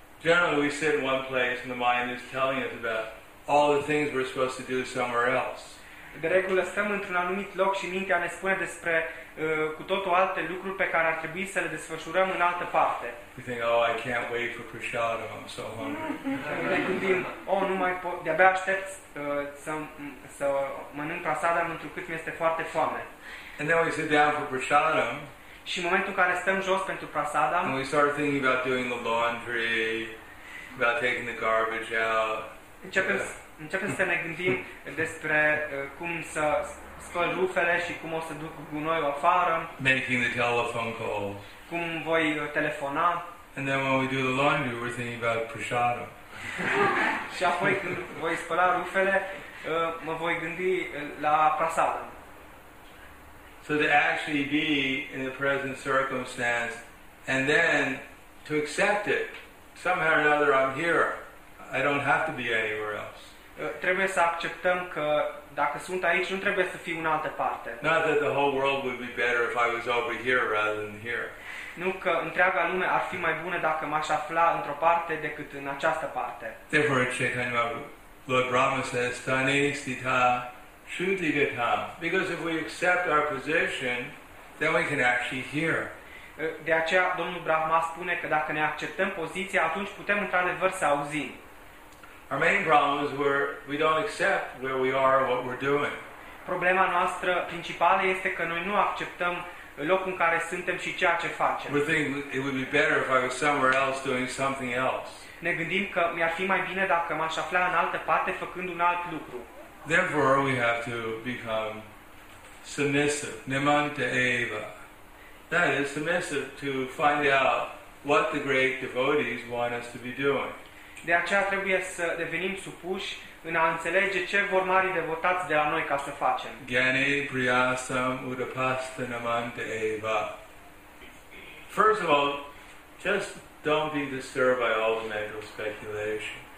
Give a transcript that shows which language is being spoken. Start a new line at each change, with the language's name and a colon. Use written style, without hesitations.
English: Generally we sit in one place and the mind is telling us about all the things we're supposed to do somewhere else.
Romanian: De regulă stăm într-un anumit loc și mintea ne spune despre cu totul alte lucruri pe care ar trebui să le desfășurăm în altă parte.
English: We think, oh, I can't wait for prashadam, I'm so hungry.
Romanian: Ne gândim, oh, nu mai pot, de-abia aștept să mănânc prasadam întrucât mi-este foarte foame.
English: And then we sit down for prashadam.
Romanian: Și în momentul în care stăm jos pentru prasadam.
English: And we start thinking about doing the laundry, about taking the garbage out.
Romanian: Începem să ne gândim despre cum să scol rufele și cum o să duc gunoiul afară.
English: Making the telephone calls.
Romanian: Cum voi telefona.
English: And then when we do the laundry, we're thinking about prashadam.
Romanian: Și apoi când voi spăla rufele, mă voi gândi la prasadam.
English: So to actually be in the present circumstance and then to accept it. Somehow or another, I'm here. I don't have to be anywhere else.
Romanian: Trebuie să acceptăm că dacă sunt aici, nu trebuie să fiu în altă parte.
English: Not that the whole world would be better if I was over here rather than here.
Romanian: Nu că întreaga lume ar fi mai bună dacă m-aș afla într-o parte decât în această parte.
English: Therefore, Chaitanya Mahaprabhu, Lord Brahma says,
Sanskrit: Tane sthita shruti gatam.
English: Because if we accept our position, then we can actually hear.
Romanian: De aceea, Domnul Brahma spune că dacă ne acceptăm poziția, atunci putem într-adevăr să auzim.
English: Our main problem is where we don't accept where we are or what we're doing.
Romanian: Problema noastră principală este că noi nu acceptăm locul în care suntem și ceea ce facem.
English: We think it would be better if I was somewhere else doing something else.
Romanian: Ne gândim că mi-ar fi mai bine dacă m-aș afla în altă parte făcând un alt lucru.
English: Therefore, we have to become submissive, nemante eva. That is submissive to find out what the great devotees want us to be doing.
Romanian: De aceea trebuie să devenim supuși în a înțelege ce vor marii devotați de la noi ca să facem.
Sanskrit: Gyane priyasam udapasta namante eva.
English: First of all, just don't be disturbed by all the mental speculation.